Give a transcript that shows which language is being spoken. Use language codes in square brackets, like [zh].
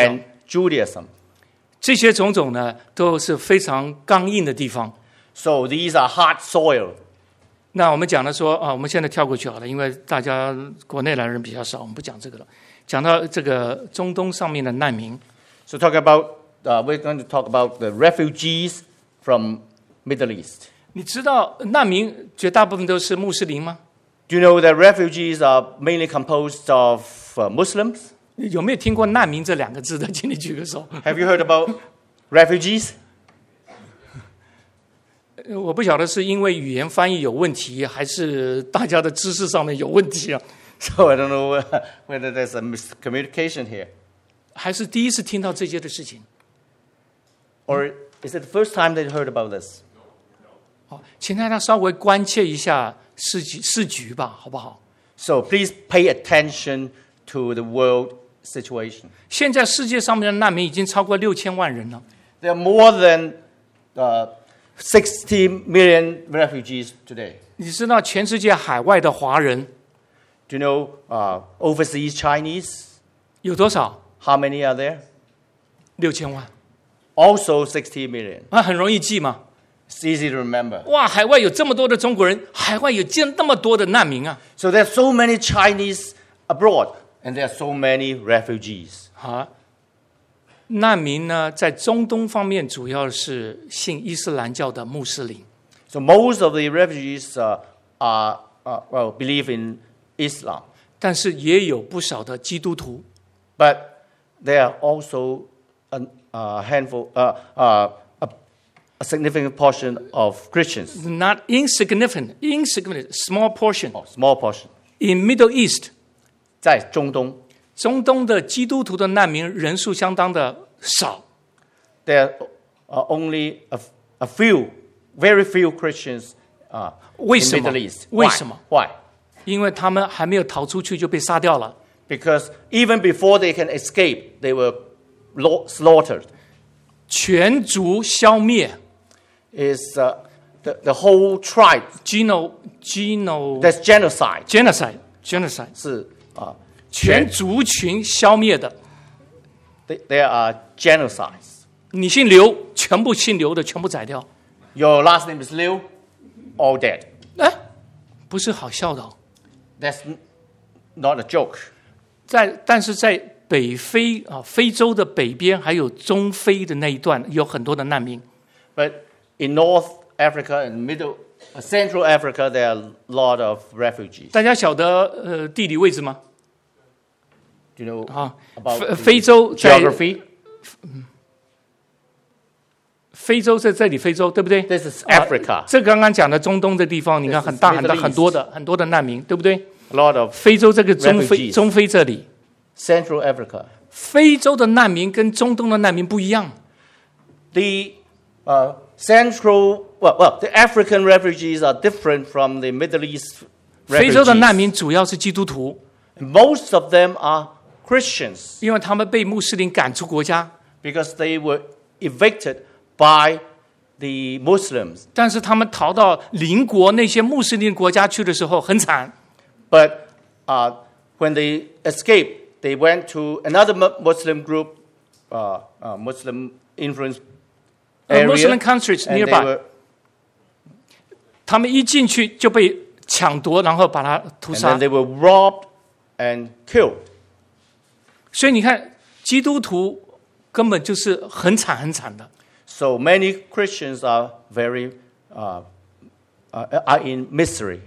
[en] ，and Judaism. [zh] 这些种种呢，都是非常刚硬的地方。 [en] So these are hard soil. [zh] 那我们讲的说啊，我们现在跳过去好了，因为大家国内来人比较少，我们不讲这个了。讲到这个中东上面的难民。 [en] So talk about, we're going to talk about the refugees from Middle East. [zh] 你知道难民绝大部分都是穆斯林吗？ [en] Do you know that refugees are mainly composed of Muslims? [zh] 有没有听过难民这两个字的？请你举个手。 [en] Have you heard about refugees? [zh] 我不晓得是因为语言翻译有问题，还是大家的知识上面有问题啊。 [en] So I don't know whether there's a miscommunication here. [zh] 还是第一次听到这些的事情。 [en] Or is it the first time they heard about this? No. [zh] 请大家稍微关切一下世局吧，好不好？ [en] So please pay attention to the world situation. [zh] 现在世界上面的难民已经超过6000万人了。 [en] There are more than 60 million refugees today. [zh] 你知道全世界海外的华人？ [en] Do you know overseas Chinese? [zh] 有多少？ [en] How many are there? [zh] 6000万。 [en] Also 60 million. [zh] 那很容易记吗？ [en] It's easy to remember. [zh] 哇，海外有这么多的中国人，海外有这么多的难民啊！ [en] So there are so many Chinese abroad, and there are so many refugees. [zh] 好。难民呢，在中东方面主要是信伊斯兰教的穆斯林。 [en] So most of the refugees are believe in Islam. [zh] 但是也有不少的基督徒。 [en] But there are also a significant portion of Christians. Not insignificant, small portion. Oh, small portion. In Middle East. [zh] 在中东。中东的基督徒的难民人数相当的。少 [en] There are only a few, very few Christians in the Middle East. Why? [zh] 因为他们还没有逃出去就被杀掉了。 [en] Because even before they can escape, they were slaughtered. [zh] 全族消灭 [en] is the whole tribe. That's genocide. Genocide. [zh] 是全族群消灭的。 [en] They are genocides. [zh] 你姓刘，全部姓刘的全部宰掉。 [en] Your last name is Liu, all dead. [zh] 哎，不是好笑的。 [en] That's not a joke. [zh] 但是在北非啊，非洲的北边还有中非的那一段，有很多的难民。 [en] But in North Africa and Central Africa, there are a lot of refugees. [zh] 大家晓得地理位置吗？ [en] You know, [zh] 非洲在 [en] geography, [zh] 非洲是这里，非洲对不对 [en] ？This is Africa. [zh] 这刚刚讲的中东的地方，你看很大很大很多的很多的难民，对不对 [en] ？A lot of [zh] 非洲这个中非 [en] refugees, [zh] 中非这里 [en] ，Central Africa. [zh] 非洲的难民跟中东的难民不一样。 [en] The the African refugees are different from the Middle East refugees. [zh] 非洲的难民主要是基督徒。 [en] Most of them are Christians. [zh] 因为他们被穆斯林赶出国家。 [en] Because they were evicted by the Muslims. [zh] 但是他们逃到邻国那些穆斯林国家去的时候很惨。 [en] But when they escaped, they went to another Muslim group, Muslim influenced area. Muslim countries nearby. [zh] 他们一进去就被抢夺，然后把他屠杀。 [en] And they were robbed. And killed. [zh] 所以你看，基督徒根本就是很惨很惨的。 [en] So many Christians are very are in misery.